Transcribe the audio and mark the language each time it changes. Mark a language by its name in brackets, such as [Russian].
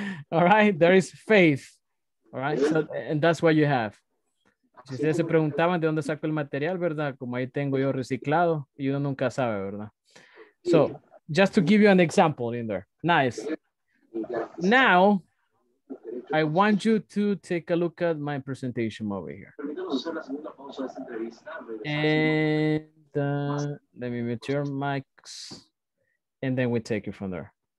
[English] All right, there is faith. All right, so, and that's what you have. [Spanish] Si ustedes se preguntaban de dónde saco el material, ¿verdad? Como ahí tengo yo reciclado, y uno nunca sabe, ¿verdad? [English] So, just to give you an example in there. Nice. Now, I want you to take a look at my presentation over here. And let me mute your mics, and then we take it from there.